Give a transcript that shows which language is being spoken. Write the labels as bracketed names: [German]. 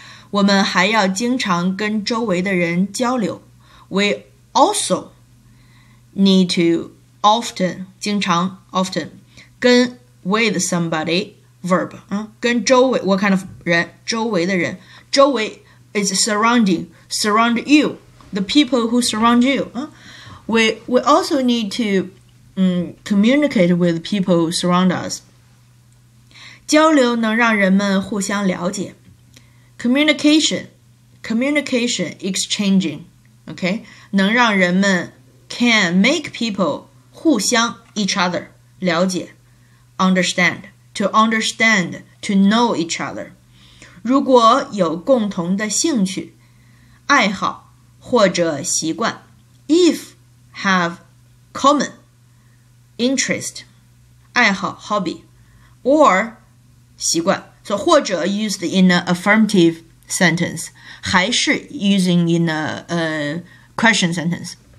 [Chinese] 我们还要经常跟周围的人交流。 [English] We also need to often, 经常, often, 跟 with somebody, verb, 跟周围, what kind of 人, [Chinese] 周围的人。 [English] 周围 is surrounding, surround you, the people who surround you, We also need to communicate with people surround us. [Chinese] 交流能让人们互相了解。 [English] Communication, exchanging, okay? [Chinese] 能让人们 [English] can make people 互相 each other, 了解 understand, to know each other. [Chinese] 如果有共同的兴趣、爱好或者习惯 [English] if,have common interest, 爱好 hobby, or 习惯 So 或者 used in an affirmative sentence, 还是 using in a question sentence,